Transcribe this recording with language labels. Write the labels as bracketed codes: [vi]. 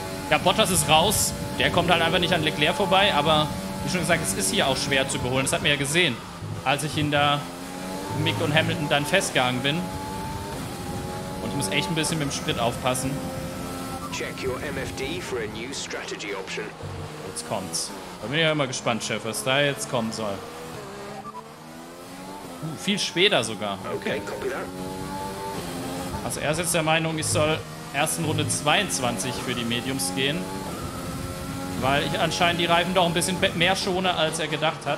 [de] Ja, Bottas ist raus. Der kommt halt einfach nicht an Leclerc vorbei, aber wie schon gesagt, es ist hier auch schwer zu überholen. Das hat man ja gesehen, als ich ihn da Mick und Hamilton dann festgegangen bin. Und ich muss echt ein bisschen mit dem Sprit aufpassen. [en] Check your MFD for a new strategy option. [de] Jetzt kommt's. Da bin ich ja immer gespannt, Chef, was da jetzt kommen soll. Viel später sogar. [en] Okay, copy that. [de] Also er ist jetzt der Meinung, ich soll erst in Runde 22 für die Mediums gehen. Weil ich anscheinend die Reifen doch ein bisschen mehr schone, als er gedacht hat.